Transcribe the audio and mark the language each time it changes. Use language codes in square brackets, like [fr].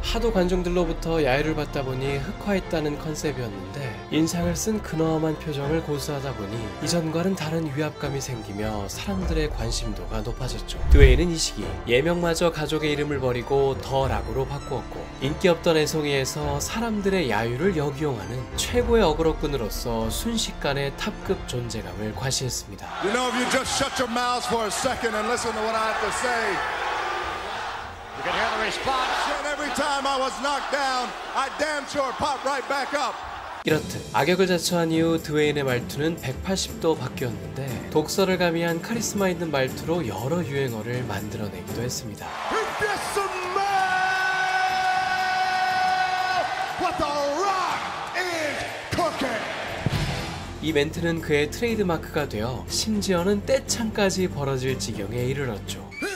[ko] 하도 관중들로부터 야유를 받다 보니 흑화했다는 컨셉이었는데 인상을 쓴 근엄한 표정을 고수하다 보니 이전과는 다른 위압감이 생기며 사람들의 관심도가 높아졌죠. 드웨인은 이 시기 예명마저 가족의 이름을 버리고 더 락으로 바꾸었고 인기 없던 애송이에서 사람들의 야유를 역이용하는 최고의 어그로꾼으로서 순식간에 탑급 존재감을 과시했습니다. [en] You know, if you just shut your mouths for a second and listen to what I have to say, you can hear the response. And every time I was knocked down, I damn sure popped right back up. [ko] 이렇듯 악역을 자처한 이후 드웨인의 말투는 180도 바뀌었는데 독설을 가미한 카리스마 있는 말투로 여러 유행어를 만들어내기도 했습니다. [en] If you smell what the rock is cooking. [ko] 이 멘트는 그의 트레이드마크가 되어 심지어는 떼창까지 벌어질 지경에 이르렀죠.